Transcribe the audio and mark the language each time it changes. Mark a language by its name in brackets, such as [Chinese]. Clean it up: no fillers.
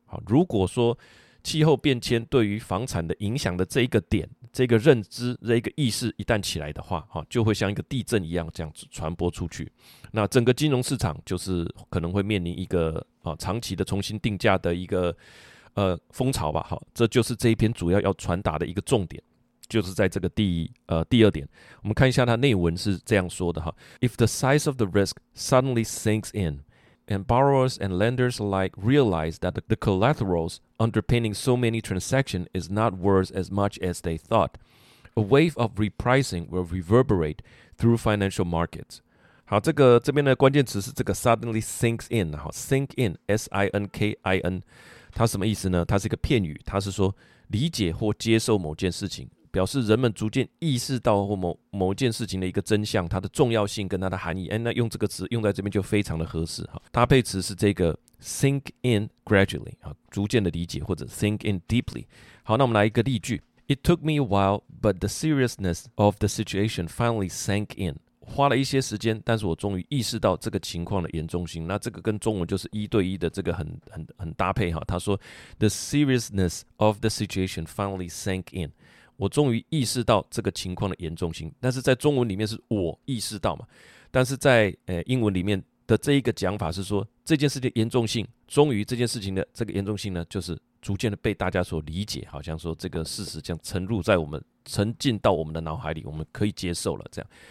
[Chinese] 好，如果说气候变迁对于房产的影响的这一个点，这个认知，这一个意识一旦起来的话，就会像一个地震一样这样子传播出去。那整个金融市场就是可能会面临一个长期的重新定价的一个风潮吧。好，这就是这一篇主要要传达的一个重点，就是在这个第二点。我们看一下它内文是这样说的哈 [English] ：If the size of the risk suddenly sinks in, and borrowers and lenders alike realize that the collaterals underpinning so many transactions is not worth as much as they thought, a wave of repricing will reverberate through financial markets. [Chinese] 好，这边的关键词是这个 [English] suddenly sinks in, [Chinese] 好 [English] sink in, [Chinese] S-I-N-K-I-N, 它什么意思呢？它是一个片语，它是说理解或接受某件事情，表示人们逐渐意识到或 某件事情的一个真相，它的重要性跟它的含义。那用这个词用在这边就非常的合适。搭配词是这个 [English] sink in gradually， [Chinese] 逐渐的理解，或者 [English] sink in deeply。 [Chinese] 好，那我们来一个例句。 [English] It took me a while, but the seriousness of the situation finally sank in。 [Chinese] 花了一些时间，但是我终于意识到这个情况的严重性。那这个跟中文就是一对一的这个 很搭配。他说 [English] The seriousness of the situation finally sank in， [Chinese] 我终于意识到这个情况的严重性，但是在中文里面是我意识到嘛，但是在英文里面的这一个讲法是说这件事情的严重性，终于这件事情的这个严重性呢，就是逐渐的被大家所理解，好像说这个事实这样沉入在我们沉浸到我们的脑海里，我们可以接受了这样。